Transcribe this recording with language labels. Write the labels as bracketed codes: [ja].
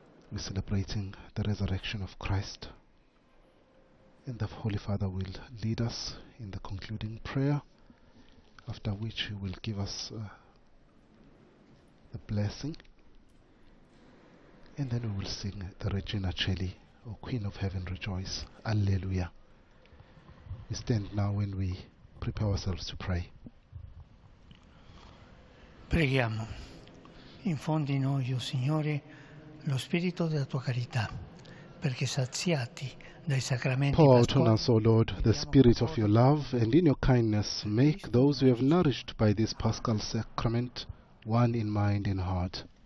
[en] We're celebrating the resurrection of Christ. And the Holy Father will lead us in the concluding prayer, after which he will give us the blessing. And then we will sing the Regina Celi, O Queen of Heaven, Rejoice. Alleluia. We stand now and we prepare ourselves to pray. [it] Preghiamo. Infondi noi, o Signore, lo spirito della tua carità, perché saziati dai sacramenti pasquali. [en] Pour out on us, O Lord, the spirit of your love, and in your kindness make those who have nourished by this paschal sacrament one in mind and heart.